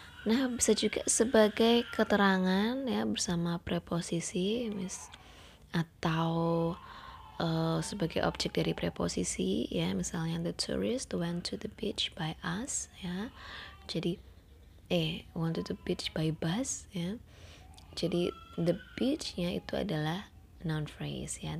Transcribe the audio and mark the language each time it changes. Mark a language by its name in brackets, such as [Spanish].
[Indonesian] Nah, bisa juga sebagai keterangan ya, bersama preposisi atau sebagai objek dari preposisi ya, misalnya [English] the tourist went to the beach by us [Indonesian] ya. Jadi [English] went to the beach by bus ya. [Indonesian] Jadi [English] the beach [Indonesian] ya itu adalah noun phrase ya.